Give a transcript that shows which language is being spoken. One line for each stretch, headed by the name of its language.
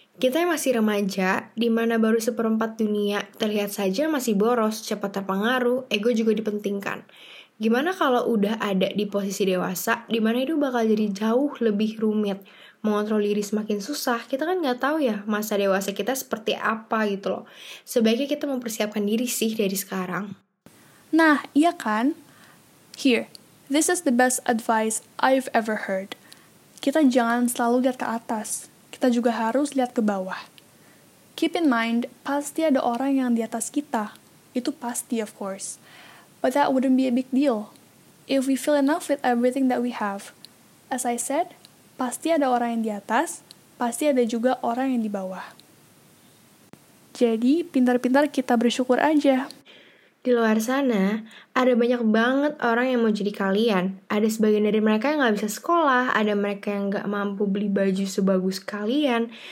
Indonesian: Kita yang masih remaja, di mana baru 1/4 dunia terlihat saja masih boros, cepat terpengaruh, ego juga dipentingkan. Gimana kalau udah ada di posisi dewasa, di mana itu bakal jadi jauh lebih rumit. Mengontrol diri semakin susah, kita kan nggak tahu ya masa dewasa kita seperti apa gitu loh. Sebaiknya kita mempersiapkan diri sih dari sekarang. Nah, iya kan?
English: Here, this is the best advice I've ever heard.
Indonesian: Kita jangan selalu lihat ke atas, kita juga harus lihat ke bawah.
English: Keep in mind,
Indonesian: pasti ada orang yang di atas kita. Itu pasti,
English: of course. But that wouldn't be a big deal if we feel enough with everything that we have. As I said,
Indonesian: pasti ada orang yang di atas, pasti ada juga orang yang di bawah. Jadi, pintar-pintar kita bersyukur aja. Di luar sana, ada banyak banget orang yang mau jadi kalian. Ada sebagian dari mereka yang gak bisa sekolah, ada mereka yang gak mampu beli baju sebagus kalian.